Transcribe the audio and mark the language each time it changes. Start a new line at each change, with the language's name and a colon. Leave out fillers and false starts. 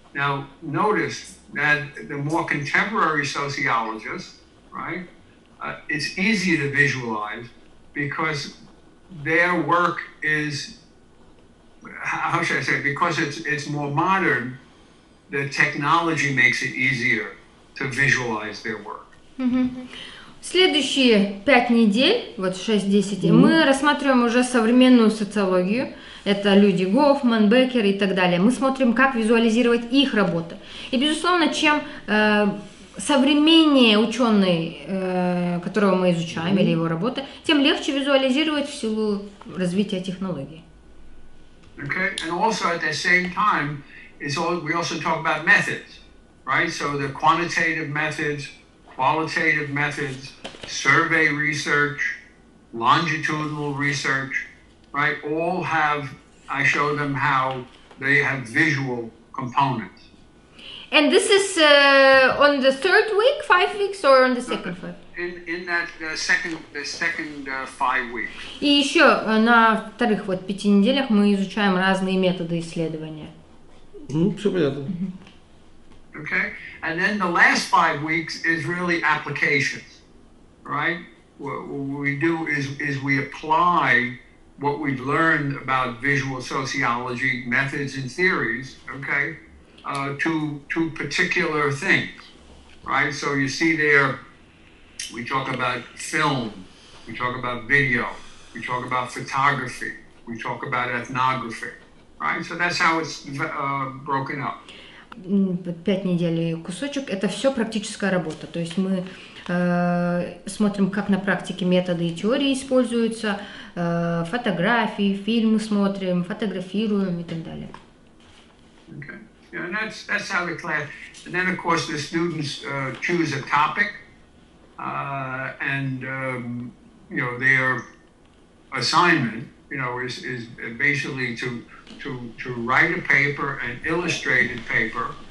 English: Now, notice that the more contemporary sociologists, right, it's easier to visualize because their work is, how should I say, because it's more modern, the technology makes it easier to visualize their work.
Russian: Mm-hmm. Следующие 5 недель, вот 6-10, mm-hmm. мы рассматриваем уже современную социологию. Это люди Гофман, Беккер и так далее. Мы смотрим, как визуализировать их работы. И, безусловно, чем современнее ученый, которого мы изучаем, mm-hmm. или его работы, тем легче визуализировать в силу развития технологий.
English: Okay. And also at the same time, we also talk about methods, right? So the quantitative methods, qualitative methods, survey research, longitudinal research, right? All have, I show them how they have visual components. And this is on the third week, 5 weeks, or on the second week? In that second 5 weeks.
Russian: И еще на вторых вот 5 неделях мы изучаем разные методы исследования. Все понятно.
English: Okay. And then the last 5 weeks is really applications, right? What we do is we apply what we've learned about visual sociology methods and theories, okay, to particular things, right? So you see there, we talk about film, we talk about video, we talk about photography, we talk about ethnography, right? So that's how it's broken up.
Russian: 5 недель кусочек, это все практическая работа. То есть мы смотрим, как на практике методы и теории используются, фотографии, фильмы смотрим, фотографируем и так далее.
English: Okay. Yeah, and that's how the class. And then, of course, the students choose a topic, and you know, their assignment, you know, is basically to write a paper, an illustrated paper.